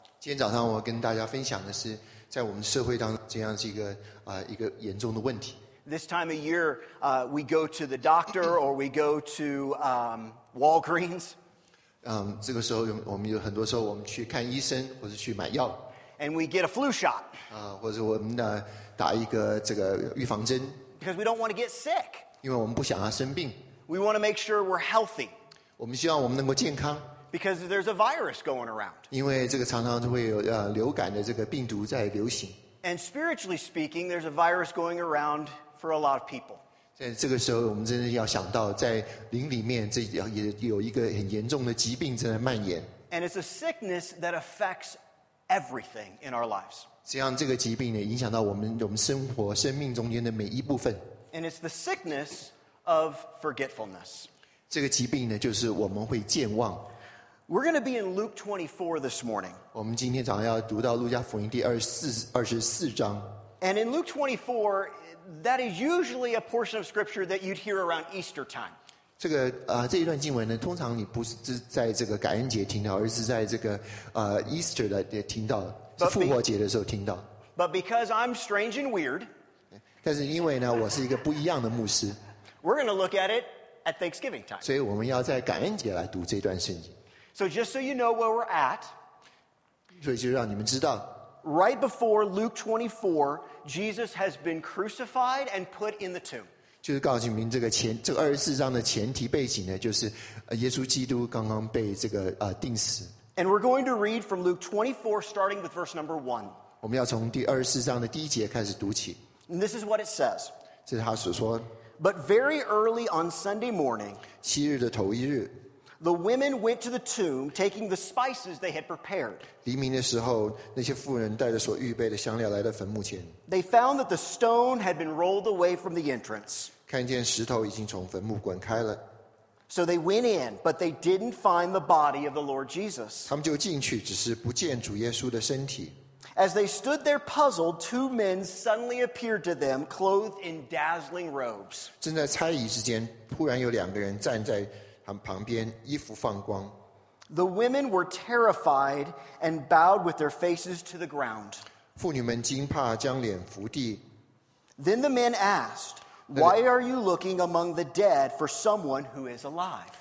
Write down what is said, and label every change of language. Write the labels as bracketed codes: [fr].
[zh] 今天早上我跟大家分享的是在我们社会当中这样是一个严重的问题。 [en] This time of year, we go to the doctor or we go to Walgreens. [zh] 这个时候我们有很多时候我们去看医生或者去买药。 [en] And we get a flu shot. [zh] 或者我们打一个这个预防针。 [en] Because we don't want to get sick. [zh] 因为我们不想要生病。 [en] We want to make sure we're healthy. [zh] 我们希望我们能够健康。 [en] Because there's a virus going around. [zh] 因为这个常常会有流感的这个病毒在流行。 [en] And spiritually speaking, there's a virus going around for a lot of people. [zh] 在这个时候，我们真的要想到，在灵里面，这也有一个很严重的疾病正在蔓延。 [en] And it's a sickness that affects. Everything in our lives. [zh] 这样这个疾病呢，影响到我们生活、生命中间的每一部分。 [en] And it's the sickness of forgetfulness. [zh] 这个疾病呢，就是我们会健忘。 [en] We're going to be in Luke 24 this morning. [zh] 我们今天早上要读到路加福音第二十四章。 [en] And in Luke 24, that is usually a portion of scripture that you'd hear around Easter time. [zh] 这个这一段经文呢，通常你不是在这个感恩节听到，而是在这个Easter 的听到，是复活节的时候听到。 [en] But because I'm strange and weird， [zh] 但是因为呢，我是一个不一样的牧师。 [en] We're going to look at it at Thanksgiving time。 [zh] 所以我们要在感恩节来读这段圣经。 [en] So just so you know where we're at， [zh] 所以就让你们知道。 [en] Right before Luke 24， Jesus has been crucified and put in the tomb。 [zh] 就是告诉你们这个二十四章的前提背景呢，就是耶稣基督刚刚被这个钉死。 [en] And we're going to read from Luke 24, starting with verse number 1. [zh] 我们要从第二十四章的第一节开始读起。 [en] And this is what it says. [zh] 这是他所说。 [en] But very early on Sunday morning, [zh] 七日的头一日 [en] the women went to the tomb, taking the spices they had prepared. [zh] 黎明的时候，那些妇人带着所预备的香料来到坟墓前。 [en] They found that the stone had been rolled away from the entrance. [zh] 看见石头已经从坟墓滚开了。 [en] So they went in, but they didn't find the body of the Lord Jesus. [zh] 他们就进去，只是不见主耶稣的身体。 [en] As they stood there puzzled, two men suddenly appeared to them, clothed in dazzling robes. [zh] 正在猜疑之间，突然有两个人站在他们旁边，衣服放光。 [en] The women were terrified and bowed with their faces to the ground. [zh] 妇女们惊怕，将脸伏地。 [en] Then the men asked, "Why are you looking among the dead for someone who is alive?"